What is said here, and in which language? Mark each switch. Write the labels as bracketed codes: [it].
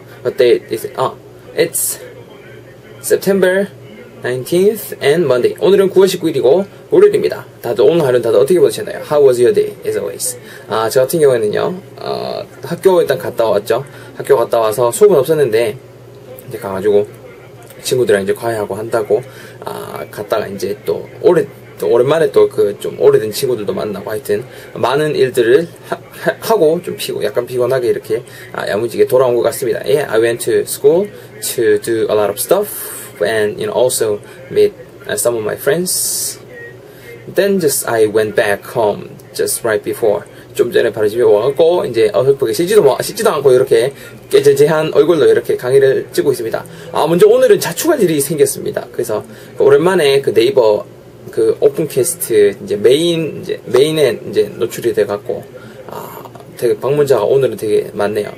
[en] What day is it? 아, it's September 19th and Monday. [ko] 오늘은 9월 19일이고, 월요일입니다. 다들 오늘 하루는 다들 어떻게 보내셨나요? [en] How was your day, as always? [ko] 아, 저 같은 경우에는요, 학교 일단 갔다 왔죠. 학교 갔다 와서 수업은 없었는데, 이제 가가지고, 친구들이랑 이제 과외하고 한다고, 아, 갔다가 이제 또, 오랜만에 또 그 좀 오래된 친구들도 만나고 하여튼 많은 일들을 하고 좀 약간 피곤하게 이렇게 야무지게 돌아온 것 같습니다. [en] Yeah, I went to school to do a lot of stuff and you know also meet some of my friends. Then just I went back home just right before. [ko] 좀 전에 바로 집에 와갖고 이제 어설프게 씻지도 않고 이렇게 깨재재한 얼굴로 이렇게 강의를 찍고 있습니다. 아, 먼저 오늘은 자축할 일이 생겼습니다. 그래서 오랜만에 그 네이버 그 오픈캐스트 이제 메인에 이제 노출이 돼 갖고 아 되게 방문자가 오늘은 되게 많네요.